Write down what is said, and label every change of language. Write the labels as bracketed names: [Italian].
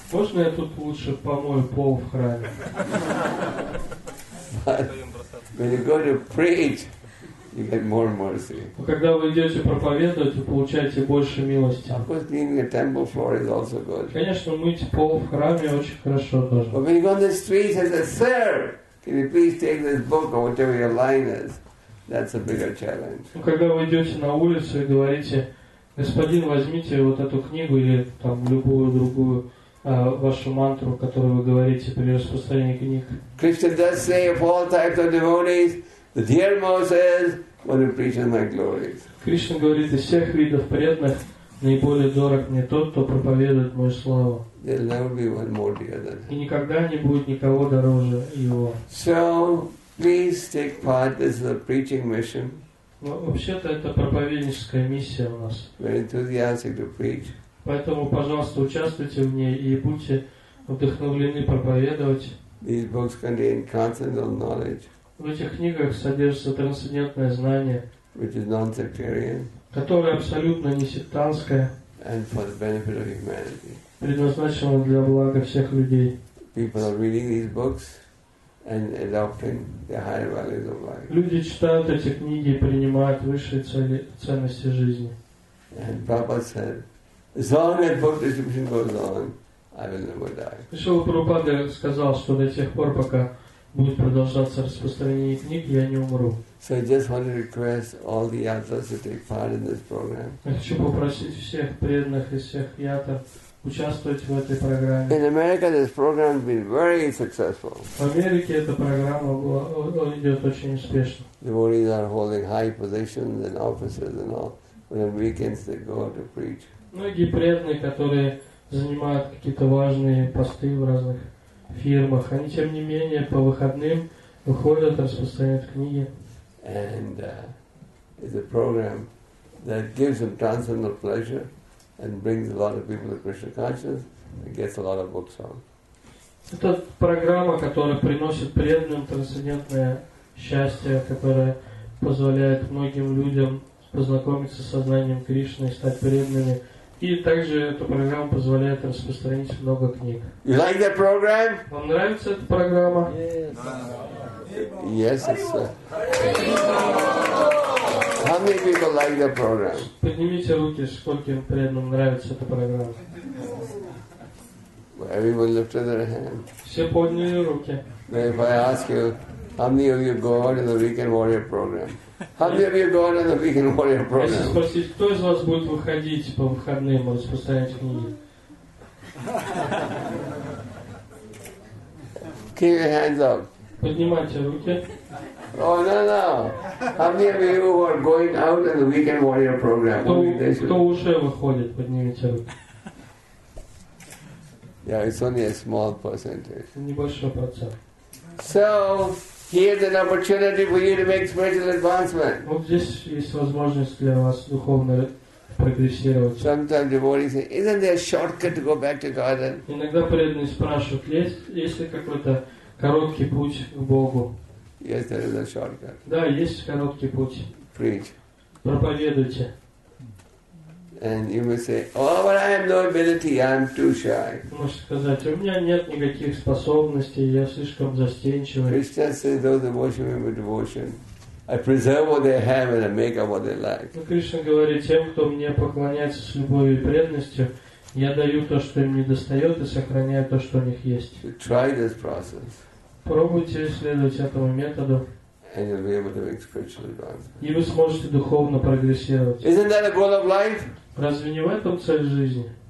[Russian] Можно я тут лучше помою пол в храме? [English] But when you go to preach, you get more mercy. [Russian] Когда вы идете проповедовать, вы получаете больше милости. [English] Of course, cleaning the temple floor is also good. [Russian] Конечно, мыть пол в храме очень хорошо тоже. [English] But when you go on the street and say, "Sir, can you please take this book or whatever your line is?" That's a bigger challenge. [Russian] Ну когда вы идете на улицу и говорите, господин, возьмите вот эту книгу или там любую другую вашу мантру, которую вы говорите при распространении книг. [English] Krishna does say of all types of devotees, the dear Moses will preach in my glories. [Russian] Кришна говорит, из всех видов преданных наиболее дорог мне тот, кто проповедует мою славу. [English] There'll never be one more dear than him. [Russian] И никогда не будет никого дороже его. [English] So please take part. This is a preaching mission. [Russian] Вообще-то это проповедническая миссия у нас. [English] Very enthusiastic to preach. [Russian] Поэтому, пожалуйста, участвуйте в ней и будьте вдохновлены проповедовать. [English] These books contain transcendental knowledge. [Russian] В этих книгах содержится трансцендентное знание, [English] which is non-sectarian, [Russian] которое абсолютно не сектантское, [English] and for the benefit of humanity. [Russian] Предназначено для блага всех людей. [English] People are reading these books and adopting the higher values of life. [Russian] Люди читают эти книги и принимают высшие цели, ценности жизни. [English] And Prabhupada said, as long as book distribution goes on, I will never die. [Russian] Шрила Прабхупада сказал, что до тех пор, пока будет продолжаться распространение книг, я не умру. [English] So I just want to request all the yatras to take part in this program. [Russian] Я хочу попросить всех преданных из всех ятр участвовать в этой программе. [English] In America, this program has been very successful. [Russian] В Америке эта программа идет очень успешно. [English] Devotees are holding high positions and offices and all. On weekends, they go out to preach. [Russian] Многие преданные, которые занимают какие-то важные посты в разных фирмах, они тем не менее по выходным выходят, распространяют книги. [English] And it's a program that gives them transcendental pleasure and brings a lot of people to Krishna consciousness and gets a lot of books on. [Russian] Это программа, которая приносит преданным трансцендентное счастье, которая позволяет многим людям познакомиться с сознанием Кришны и стать преданными. И также эта программа позволяет распространить много книг. [English] You like that program? [Russian] Вам нравится эта программа? [English] Yes. Yes, sir. How many people like that program? [Russian] Поднимите руки, скольким преданным нравится эта программа. [English] Everyone lifted their hand. [Russian] Все подняли руки. [English] If I ask you, how many of you go out in the Weekend Warrior program? How many of you go out in the Weekend Warrior program? [Russian] Если спросить, кто из вас будет выходить по выходным, распространять книги? [English] Keep your hands up. [Russian] Поднимайте руки. [English] Oh, no. How many of you who are going out in the Weekend Warrior program? [Russian] Кто уже выходит, поднимите руки. [English] Yeah, it's only a small percentage. [Russian] Небольшой процент. [English] So here's an opportunity for you to make spiritual advancement. [Russian] Вот здесь есть возможность для вас духовно прогрессировать. [English] Sometimes devotees say, "Isn't there a shortcut to go back to garden?" [Russian] Иногда преданные спрашивают, есть ли какой-то короткий путь к Богу. [English] Yes, there is a shortcut. [Russian] Да, есть короткий путь. [English] Preach. [Russian] Проповедуйте. [English] And you may say, "Oh, but I have no ability. I'm too shy." [Russian] Можешь сказать, у меня нет никаких способностей, я слишком застенчивый. [English] Krishna says, "Those devotees with devotion, I preserve what they have and I make up what they like." [Russian] Но Кришна говорит тем, кто мне поклоняется с любовью и преданностью, я даю то, что им недостает, и сохраняю то, что у них есть. [English] Try this process. [Russian] Пробуйте следовать этому методу. [English] and you'll be able to make spiritual advance. [Russian] И вы сможете духовно прогрессировать. [English] Isn't that a goal of life? [Russian] Разве не в этом цель жизни?